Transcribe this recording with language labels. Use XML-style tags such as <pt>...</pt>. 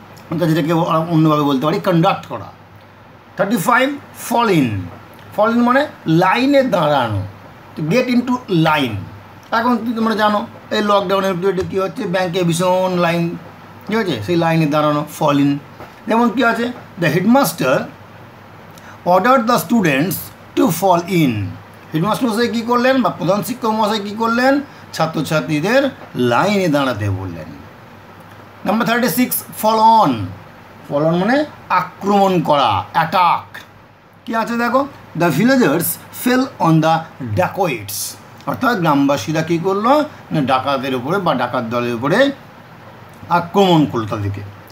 <bn>অর্থাৎ যেটাকে অন্যভাবে বলতে পারি কন্ডাক্ট করা 35 ফল ইন মানে লাইনে দাঁড়ানো গেট ইন টু লাইন এখন তুমি তোমরা জানো এই লকডাউনের পিরিয়ডে কী হচ্ছে ব্যাঙ্কে ভীষণ লাইন ঠিক আছে সেই লাইনে দাঁড়ানো ফল ইন যেমন কী আছে the headmaster</bn> <en>ordered the students to fall in.</en> <bn>Headmaster মশাই কি করলেন বা প্রধান শিক্ষক মশাই কি করলেন, ছাত্রছাত্রীদের লাইনে দাঁড়াতে বললেন। Number 36 fall on, fall on মানে আক্রমণ করা, অ্যাটাক। কি আছে দেখো, the villagers fail on the ডাকোয়েটস, অর্থাৎ গ্রামবাসীরা কি করলো না, ডাকাতের উপরে বা ডাকাত দলের উপরে আক্রমণ করলো তাদেরকে।</bn>